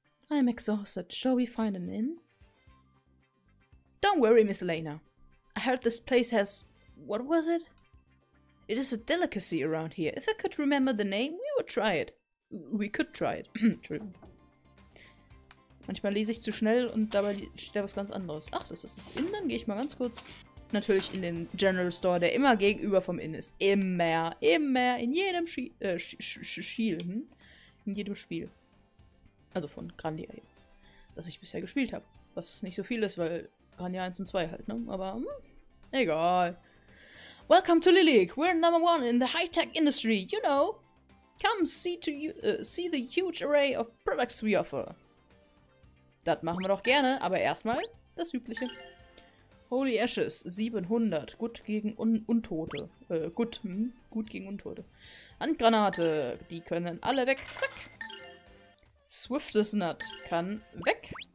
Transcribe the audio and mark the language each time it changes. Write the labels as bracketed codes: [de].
[en] I am exhausted. Shall we find an inn? Don't worry, Miss Elena. I heard this place has... What was it? It is a delicacy around here. If I could remember the name, we would try it. We could try it. True. [de] Manchmal lese ich zu schnell und dabei steht da was ganz anderes. Ach, das ist das Inn. Dann gehe ich mal ganz kurz... Natürlich in den General Store, der immer gegenüber vom Inn ist. Immer, immer, in jedem in jedem Spiel. Also von Grandia jetzt. Das ich bisher gespielt habe. Was nicht so viel ist, weil Waren ja 1 und 2 halt, ne? Aber, egal. [en] Welcome to Lilik. We're number one in the high-tech industry, you know. Come see to you, see the huge array of products we offer. [de] Das machen wir doch gerne, aber erstmal das Übliche. Holy Ashes, 700. Gut gegen Untote. Gut gegen Untote. Handgranate, die können alle weg. Zack. Swiftest Nut kann weg.